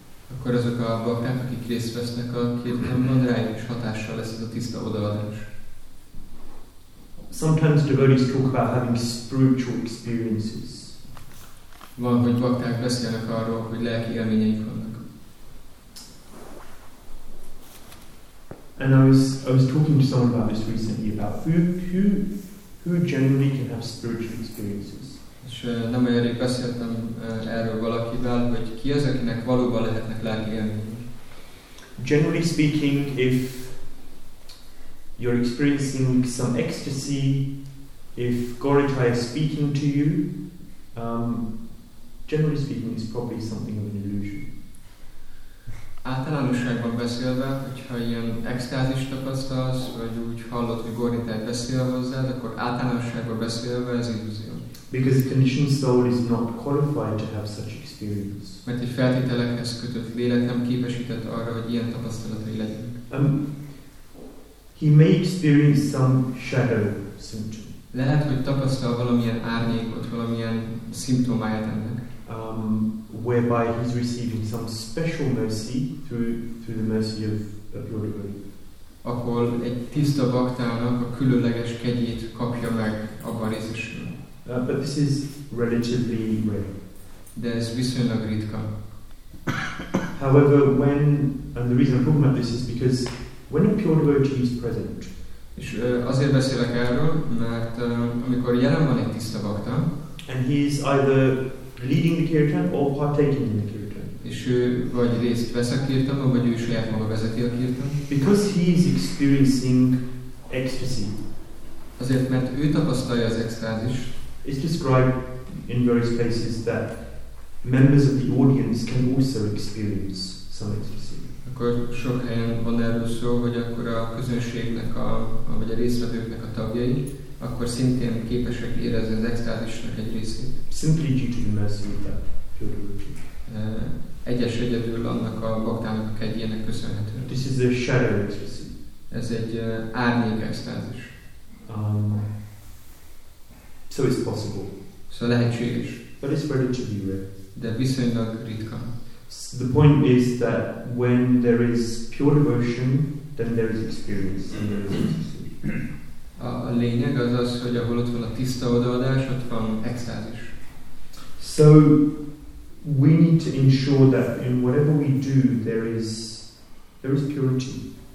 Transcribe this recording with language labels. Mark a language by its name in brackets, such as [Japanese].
[Hungarian] Akkor azok a bakták, akik részt vesznek a kirtanban, rájuk is hatással lesz ez a tiszta odaadás. [English] Sometimes devotees talk about having spiritual experiences. [Hungarian] Van, hogy bakták beszélnek arról, hogy lelki élményeik vannak. [English] And I was talking to someone about this recently, about who generally can have spiritual experiences. [Hungarian] És nem olyan rég beszéltem erről valakivel, hogy ki az, akinek valóban lehetnek lelki élmények. [English] Generally speaking, if you're experiencing some ecstasy, if Gorichai is speaking to you, generally speaking, it's probably something of an illusion. [Hungarian] Általánosságban beszélve, hogyha ilyen extázis tapasztalsz, vagy úgy hallod, hogy Gorichai beszél hozzád, akkor általánosságban beszélve ez illúzió. [English] Because a conditioned soul is not qualified to have such experience. [Hungarian] Mert egy feltételekhez kötött lélek nem képesített arra, hogy ilyen tapasztalatai legyenek. [English] He may experience some shadow symptom. [Hungarian] Lehet, hogy tapasztal valamilyen árnyékot, valamilyen szimptomáját ennek. [English] Whereby he's receiving some special mercy through the mercy of Lord Gaudiya. [Hungarian] Ahol egy tiszta baktának a különleges kegyét kapja meg abban részesül. [English] But this is relatively rare. [Hungarian] De ez viszonylag ritka. [English] However, when, and the reason I'm talking about this is because when a pure devotee is present, [Hungarian] és azért beszélek erről, mert amikor jelen van egy tiszta bhakta, [English] and he is either leading the kirtan or partaking in the kirtan, [Hungarian] és ő vagy részt vesz a kirtanban, vagy ő saját maga vezeti a kirtan, [English] because he is experiencing ecstasy, [Hungarian] azért mert ő tapasztalja az extázist. [English] It's described in various places that members of the audience can also experience some ecstasy. [Hungarian] Akkor sok helyen van erről szó, hogy akkor a közönségnek a vagy a részvevőknek a tagjai, akkor szintén képesek érezni az extázisnak egy részét. [English] Simply due to the mercy of that pure devotee. [Hungarian] Egyedül annak a baktának a kegyének köszönhető. [English] This is a shadow ecstasy. [Hungarian] Ez egy árnyék extázis. [English] So it's possible. [Hungarian] So lehetséges. [English] But it's relatively rare. [Hungarian] De viszonylag ritka. [English] So the point is that when there is pure devotion, then there is experience and there is ecstasy. [Hungarian] A lényeg az, hogy ahol ott van a tiszta odaadás, ott van extázis. [English] So we need to ensure that in whatever we do, there is purity.